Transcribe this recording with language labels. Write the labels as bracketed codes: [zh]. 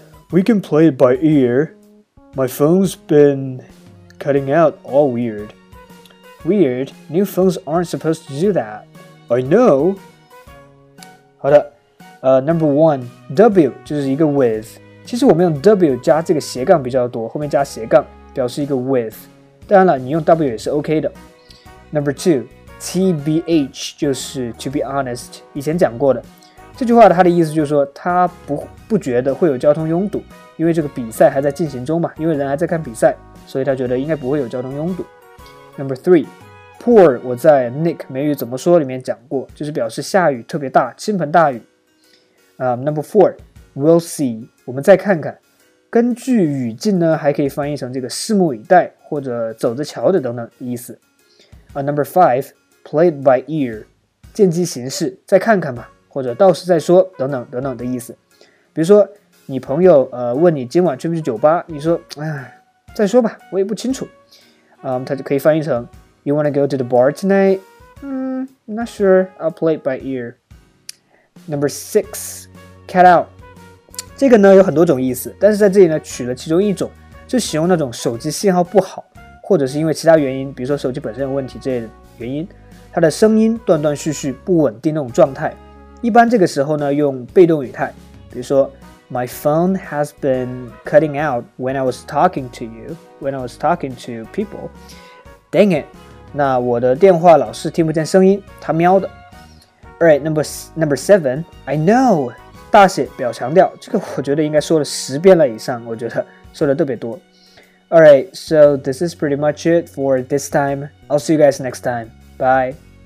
[en] We can play it by ear. My phone's been cutting out all weird. Weird? New phones aren't supposed to do that. I know. [zh] 好的， [en] number one, W [zh] 就是一个 [en] with. [zh] 其实我们用 W 加这个斜杠比较多，后面加斜杠表示一个 with. 当然了，你用 W 也是 OK 的。 [en] Number two, TBH [zh] 就是 [en] to be honest, [zh] 以前讲过的。这句话它的意思就是说他不觉得会有交通拥堵，因为这个比赛还在进行中嘛，因为人还在看比赛，所以他觉得应该不会有交通拥堵。 [en] Number three, [zh] pour 我在 Nick 美语怎么说里面讲过，就是表示下雨特别大，倾盆大雨。 [en] Number four, we'll see, [zh] 我们再看看。根据语境呢，还可以翻译成这个拭目以待或者走着瞧的等等意思。 [en] Number five, play it by ear, [zh] 见机行事，再看看吧。或者到时再说等等等等的意思，比如说你朋友问你今晚去不去酒吧，你说再说吧，我也不清楚，它就可以翻译成 [en] You wanna go to the bar tonight? Not sure, I'll play it by ear. Number six, cut out. [zh] 这个呢有很多种意思，但是在这里呢取了其中一种，就使用那种手机信号不好，或者是因为其他原因，比如说手机本身有问题这些原因，它的声音断断续续不稳定那种状态。一般这个时候呢用被动语态，比如说 [en] My phone has been cutting out when I was talking to people. Dang it, [zh] 那我的电话老是听不见声音，他喵的。 [en] Alright, number seven, I know, [zh] 大写表强调，这个我觉得应该说了十遍了以上，我觉得说的特别多。 [en] Alright, so this is pretty much it for this time. I'll see you guys next time. Bye.